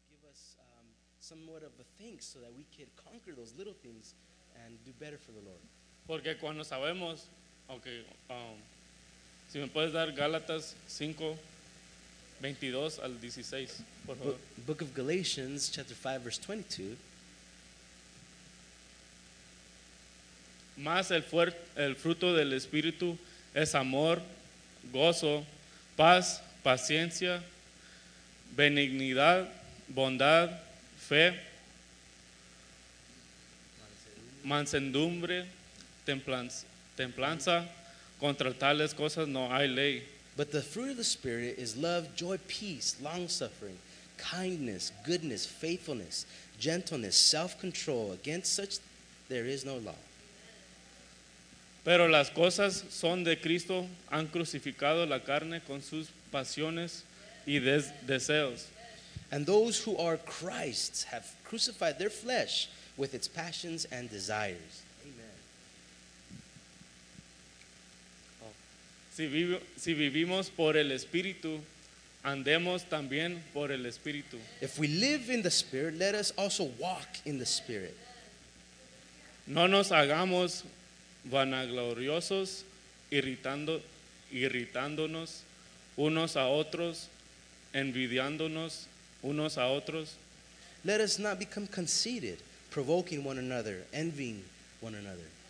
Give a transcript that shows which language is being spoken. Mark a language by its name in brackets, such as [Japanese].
[English] us somewhat of a thing so that we could conquer those little things and do better for the Lord. [Spanish] Porque cuando sabemos, okay, si me puedes dar Gálatas 5, 22 al 16, por favor. [English] Book of Galatians, chapter 5, verse 22. [Spanish] Más el fruto del Espíritu es amor, gozo, paz, paciencia, benignidad, bondad, fe, mansedumbre, templanza. Contra tales cosas no hay ley. [English] But the fruit of the Spirit is love, joy, peace, long-suffering, kindness, goodness, faithfulness, gentleness, self-control. Against such there is no law. [Spanish] Pero las cosas son de Cristo, han crucificado la carne con sus pasiones y deseos. [English] And those who are Christ's have crucified their flesh with its passions and desires. Amen. Oh. [Spanish] Si vivimos por el Espíritu, andemos también por el Espíritu. [English] If we live in the Spirit, let us also walk in the Spirit. [Spanish] No nos hagamos vanagloriosos, irritándonos unos a otros, envidiándonos unos a otros. [English] Let us not become conceited, provoking one another, envying one another.